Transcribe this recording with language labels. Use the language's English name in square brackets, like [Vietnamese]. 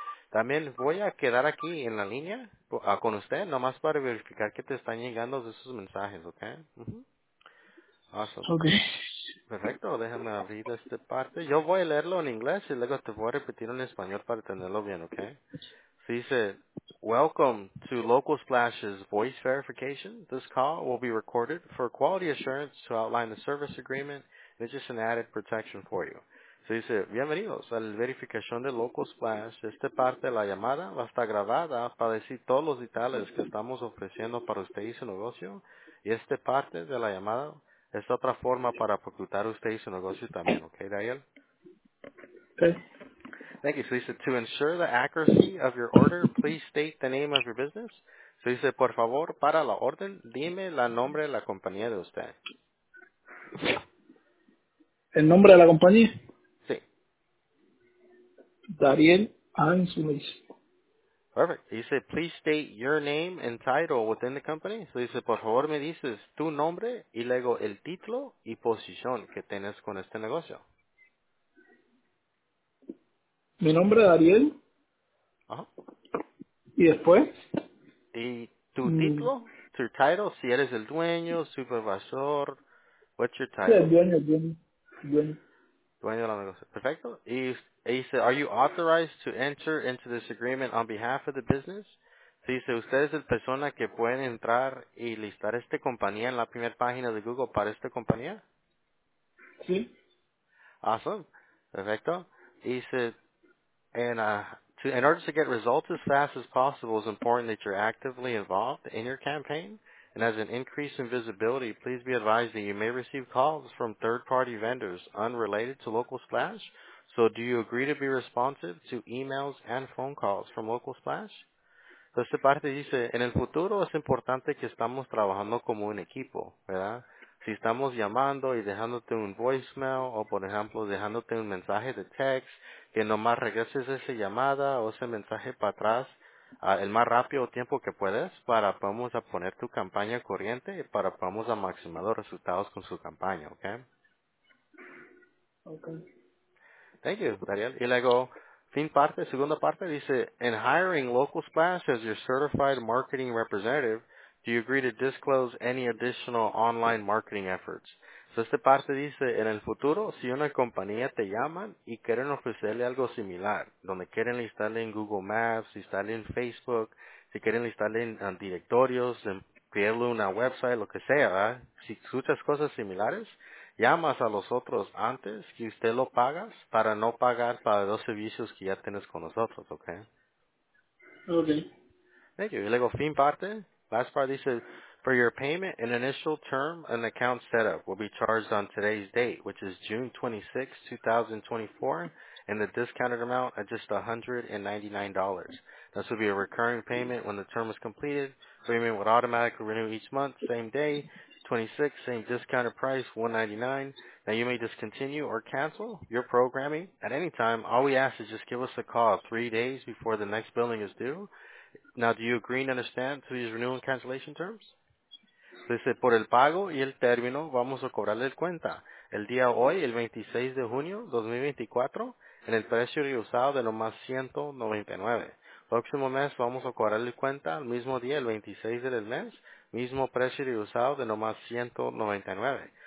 [Spanish] También voy a quedar aquí en la línea con usted, nomás para verificar que te están llegando esos mensajes, ¿ok? [English] Uh-huh. Awesome. Ok. [Spanish] Perfecto, déjame abrir esta parte. Yo voy a leerlo en inglés y luego te voy a repetir en español para tenerlo bien, ¿ok? Se dice, [English] welcome to Local Splash's voice verification. This call will be recorded for quality assurance to outline the service agreement. It's just an added protection for you. [Spanish] Se dice, bienvenidos a la verificación de Local Splash. Esta parte de la llamada va a estar grabada para decir todos los detalles que estamos ofreciendo para usted y su negocio. Y esta parte de la llamada es otra forma para reclutar usted y su negocio también. ¿Ok, Daniel? [English] Okay. Thank you. So he said, to ensure the accuracy of your order, please state the name of your business. So he said, [Spanish] por favor, para la orden, dime la nombre de la compañía de usted. ¿El nombre de la compañía? Sí. Dariel Ansulis. [English] Perfect. He said, please state your name and title within the company. So he said, [Spanish] por favor me dices tu nombre y luego el título y posición que tienes con este negocio. Mi nombre es Ariel. Ajá. ¿Y después? ¿Y tu título? ¿Tu title? Si eres el dueño, supervisor, [English] what's your title? [Spanish] Sí, dueño. Dueño de la negocio. Perfecto. Y dice, [English] are you authorized to enter into this agreement on behalf of the business? [Spanish] Si dice, usted es la persona que puede entrar y listar esta compañía en la primera página de Google para esta compañía? Sí. [English] Awesome. [Spanish] Perfecto. Y dice, [English] in order to get results as fast as possible, it's important that you're actively involved in your campaign. And as an increase in visibility, please be advised that you may receive calls from third-party vendors unrelated to Local Splash. So do you agree to be responsive to emails and phone calls from Local Splash? [Spanish] So esta parte dice, en el futuro es importante que estamos trabajando como un equipo, ¿verdad? Si estamos llamando y dejándote un voicemail o, por ejemplo, dejándote un mensaje de text, que nomás regreses esa llamada o ese mensaje para atrás el más rápido tiempo que puedes para vamos a poner tu campaña corriente y para vamos a maximizar los resultados con su campaña, ¿ok? Ok. [English] Thank you, Dariel. [Spanish] Y luego, segunda parte, dice, [English] in hiring Local Splash as your certified marketing representative, do you agree to disclose any additional online marketing efforts? [Spanish] So esta parte dice, en el futuro, si una compañía te llama y quieren ofrecerle algo similar, donde quieren listarle en Google Maps, listarle en Facebook, si quieren listarle en directorios, en crearle una website, lo que sea, ¿verdad? Si escuchas cosas similares, llamas a los otros antes que usted lo pagas para no pagar para los servicios que ya tienes con nosotros, ¿ok? Okay. [English] Thank you. [Spanish] Y luego, [English] last part [Spanish] dice, [English] for your payment, an initial term and account setup will be charged on today's date, which is June 26, 2024, and the discounted amount at just $199. This will be a recurring payment when the term is completed. Payment would automatically renew each month, same day, 26, same discounted price, $199. Now, you may discontinue or cancel your programming at any time. All we ask is just give us a call 3 days before the next billing is due. Now, do you agree and understand to these renewal and cancellation terms? [Spanish] Dice, por el pago y el término, vamos a cobrarle el cuenta. El día hoy, el 26 de junio 2024, en el precio reusado de nomás $199. Próximo mes, vamos a cobrarle el cuenta el mismo día, el 26 del mes, mismo precio reusado de nomás $199.